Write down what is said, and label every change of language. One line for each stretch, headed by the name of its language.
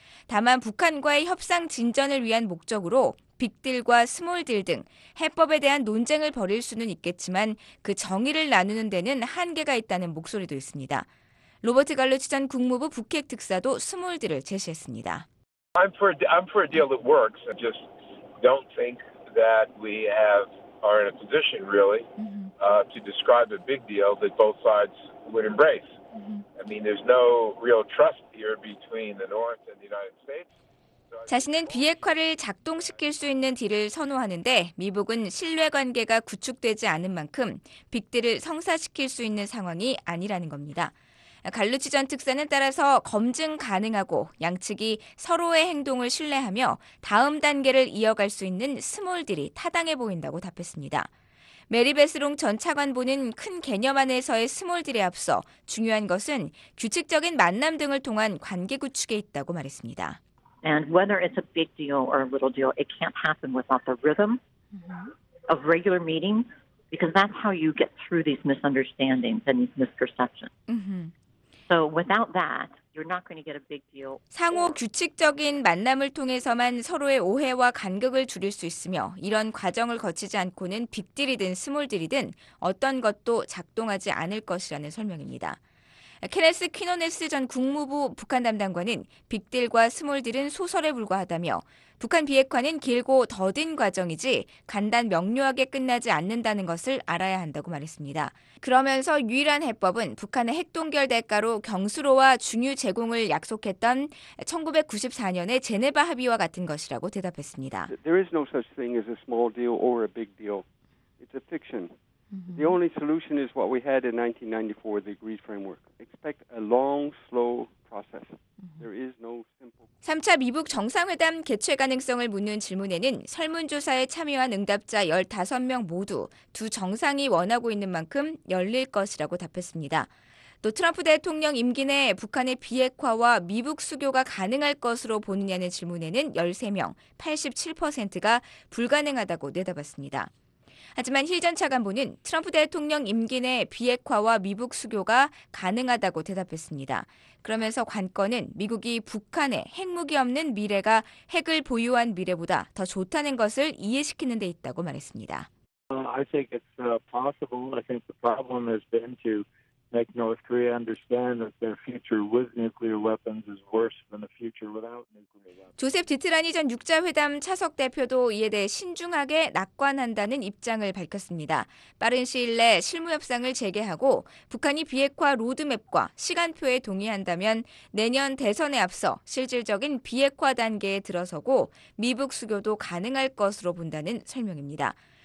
Korean: 다만 북한과의 협상 진전을 위한 목적으로 빅딜과 스몰딜 등 해법에 대한 논쟁을 벌일 수는 있겠지만 그 정의를 나누는 데는 한계가 있다는 목소리도 있습니다. 로버트 갈루치 전 국무부 북핵 특사도 스몰딜을 제시했습니다.
English: I'm for a deal that works. I just don't think that are in a position really to describe a big deal that both sides would embrace. I mean, there's no real trust here between the North and the United States.
Korean: 자신은 비핵화를 작동시킬 수 있는 딜을 선호하는데 미국은 신뢰관계가 구축되지 않은 만큼 빅딜을 성사시킬 수 있는 상황이 아니라는 겁니다. 갈루치 전 특사는 따라서 검증 가능하고 양측이 서로의 행동을 신뢰하며 다음 단계를 이어갈 수 있는 스몰딜이 타당해 보인다고 답했습니다. 메리 베스롱 전 차관보는 큰 개념 안에서의 스몰딜에 앞서 중요한 것은 규칙적인 만남 등을 통한 관계 구축에 있다고 말했습니다.
English: And whether it's a big deal or a little deal, it can't happen without the rhythm of regular meetings, because that's how you get through these misunderstandings and these misperceptions. So without that, you're not going to get a big deal.
Korean: 상호 규칙적인 만남을 통해서만 서로의 오해와 간극을 줄일 수 있으며 이런 과정을 거치지 않고는 빅딜이든 스몰딜이든 어떤 것도 작동하지 않을 것이라는 설명입니다. 케네스 퀴노네스 전 국무부 북한 담당관은 빅딜과 스몰딜은 소설에 불과하다며 북한 비핵화는 길고 더딘 과정이지 간단 명료하게 끝나지 않는다는 것을 알아야 한다고 말했습니다. 그러면서 유일한 해법은 북한의 핵동결 대가로 경수로와 중유 제공을 약속했던 1994년의 제네바 합의와 같은 것이라고 대답했습니다.
English: There is no such thing as a small deal or a big deal. It's a fiction. The only solution is what we had in 1994, the agreed framework. Expect a long, slow process. There is no simple.
Korean: 3차 미북 정상회담 개최 가능성을 묻는 질문에는 설문조사에 참여한 응답자 15명 모두 두 정상이 원하고 있는 만큼 열릴 것이라고 답했습니다. 또 트럼프 대통령 임기 내 북한의 비핵화와 미북 수교가 가능할 것으로 보느냐는 질문에는 13명, 87%가 불가능하다고 내다봤습니다. 하지만 힐 전 차관보는 트럼프 대통령 임기 내 비핵화와 미북 수교가 가능하다고 대답했습니다. 그러면서 관건은 미국이 북한의 핵무기 없는 미래가 핵을 보유한 미래보다 더 좋다는 것을 이해시키는 데 있다고 말했습니다.
English: I think it's possible. I think the problem has been to make North Korea understand that their future with nuclear weapons is worse than the future without nuclear weapons.
Korean: 조셉 디트라니 전 6자 회담 차석 대표도 이에 대해 신중하게 낙관한다는 입장을 밝혔습니다. 빠른 시일 내 실무 협상을 재개하고 북한이 비핵화 로드맵과 시간표에 동의한다면 내년 대선에 앞서 실질적인 비핵화 단계에 들어서고 미북 수교도 가능할 것으로 본다는 설명입니다.